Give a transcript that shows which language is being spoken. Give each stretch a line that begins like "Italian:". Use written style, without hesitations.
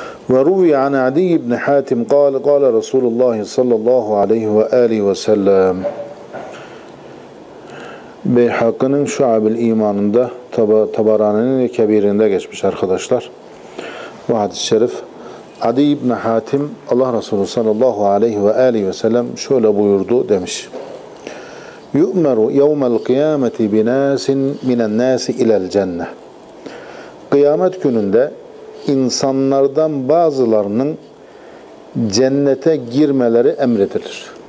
Arabic: وَرُوِيَ عَنْ عَدِيِّ بْنِ حَاتِمْ قَالَ قَالَ رَسُولُ اللّٰهِ صَلَّى اللّٰهُ عَلَيْهُ وَآلِهِ وَسَلَّمُ
Turkish: Beyhakkı'nın Şuab-ül İmanı'nda, Tabarani'nin ve Kebir'inde geçmiş arkadaşlar. Bu hadis-i şerif, Adi İbni Hatim, Allah Resulü sallallahu aleyhi ve aleyhi ve sellem şöyle buyurdu demiş.
Arabic: يُؤْمَرُ يَوْمَ الْقِيَامَةِ بِنَاسٍ مِنَ النَّاسِ اِلَى الْجَنَّةِ
Turkish: Kıyamet gününde insanlardan bazılarının cennete girmeleri emredilir.